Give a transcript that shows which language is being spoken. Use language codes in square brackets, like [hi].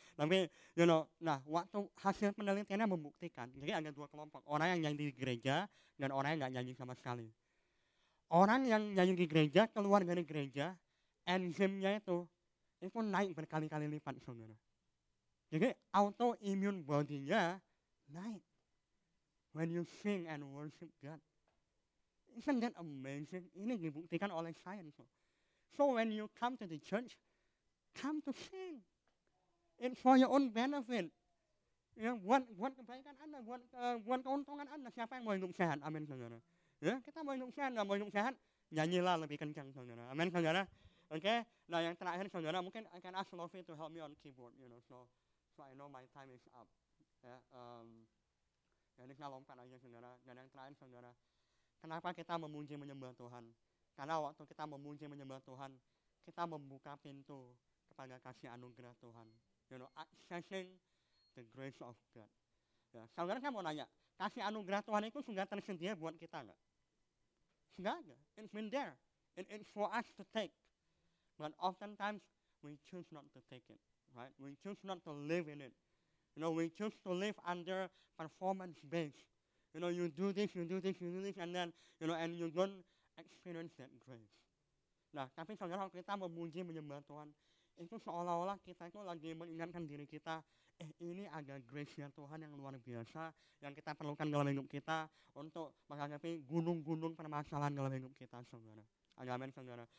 [id] Tapi, [en] you know, [id] nah waktu hasil penelitiannya membuktikan, jadi ada dua kelompok, orang yang nyanyi di gereja dan orang yang enggak nyanyi sama sekali. orang yang nyanyi di gereja, keluar dari gereja, enzimnya itu naik berkali-kali lipat, saudara. Jadi autoimmune body-nya naik. [en] When you sing and worship God, isn't that amazing? [id] Ini dibuktikan oleh [en] science. So when you come to the church, come to sing. It's for your own benefit. [id] Ya, buat kebaikan Anda, buat keuntungan Anda. Siapa yang mau hidup sehat? Amin, saudara. Ya, kita mau hidup sehat, nggak mau hidup sehat, nyanyilah lebih kencang, saudara. Amin, saudara. Oke, nah yang terakhir, saudara, mungkin [en] I can ask Lofi to help me on keyboard, you know, so I know my time is up. [id] Ya, ini saya lompat aja, saudara. Dan yang terakhir, saudara, kenapa kita memuji menyembah Tuhan? Karena waktu kita memuji menyembah Tuhan, kita membuka pintu kepada kasih anugerah Tuhan. [en] You know, accessing the grace of God. [id] Ya, saudara, saya mau nanya, kasih anugerah Tuhan itu sudah tersedia buat kita nggak? Sudah nggak? [en] It's been there. It's for us to take. But oftentimes, we choose not to take it, right? We choose not to live in it. You know, we choose to live under performance base. You know, you do this, you do this, you do this, and then, you know, and you don't experience that grace. [id] Nah, tapi saudara, kalau kita memuji menyembah Tuhan, itu seolah-olah kita itu lagi mengingatkan diri kita, ini agak grace-nya Tuhan yang luar biasa, yang kita perlukan dalam hidup kita untuk menghadapi gunung-gunung permasalahan dalam hidup kita, saudara. Amin, saudara.